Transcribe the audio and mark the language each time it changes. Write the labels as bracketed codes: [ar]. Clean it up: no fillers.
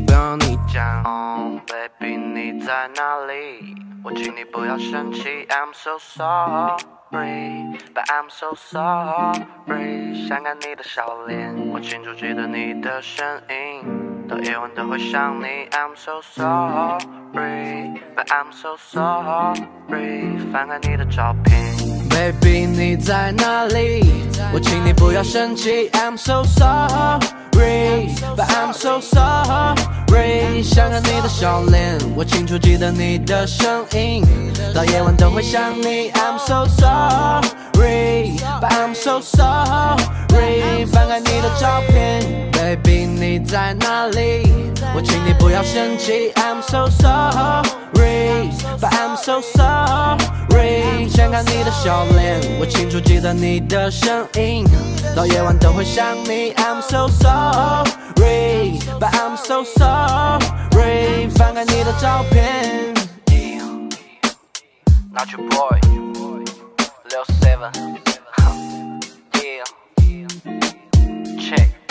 [zh] 不要你讲 Baby 你在哪里，我请你不要生气 [en] I'm so sorry But I'm so sorry [zh] 想看你的笑脸，我清楚记得你的声音，到夜晚都会想你 I'm so sorry But I'm so sorry 翻看你的照片 Baby 你在哪里，我请你不要生气 [en] I'm so sorry But I'm so sorry [zh] 想看你的笑脸，我清楚记得你的声音，到夜晚都会想你。 [en] I'm so sorry, but I'm so sorry. [zh] 翻开你的照片 ，Baby 你在哪里？我请你不要生气。 [en] I'm so sorry, but I'm so sorry. [zh] 想看你的笑脸，我清楚记得你的声音，到夜晚都会想你。 [en] I'm so sorry, but I'm so sorry. [zh] 翻开你的照片 [en] ，Not your boy, Lil Seven, yeah, check.